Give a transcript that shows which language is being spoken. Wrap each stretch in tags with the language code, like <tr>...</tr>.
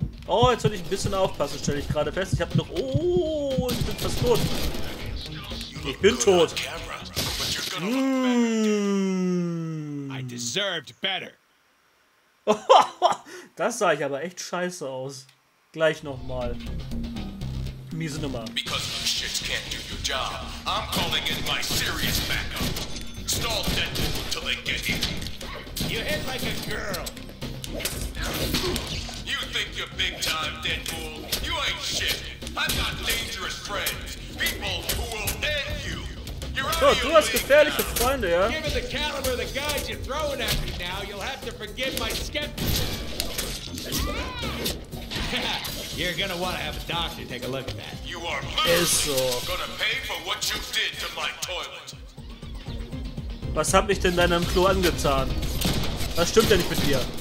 <de>Oh, jetzt soll ich ein bisschen aufpassen, stelle ich gerade fest. Ich habe noch... Oh, ich bin fast tot. Ich bin tot.</de> <en>I deserved better.</en> <de>Das sah ich aber echt scheiße aus. Gleich nochmal. Miese Nummer.</de> <en>Because you shit can't do your job. I'm calling in my serious backup. Stall dead until they get here. You hit like a girl. You think you're big time, Deadpool? You ain't shit. I've got dangerous friends. People who will end you.</en> <de>So, du hast gefährliche Freunde, ja?</de> <en>Given the caliber of the guys you're throwing at me now, you'll have to forgive my skepticism. You're gonna want to have a doctor take a look at that. You are literally gonna pay for what you did to my toilet.</en> <de>Was hab ich denn deinem Klo angetan? Was stimmt denn nicht mit dir?</de>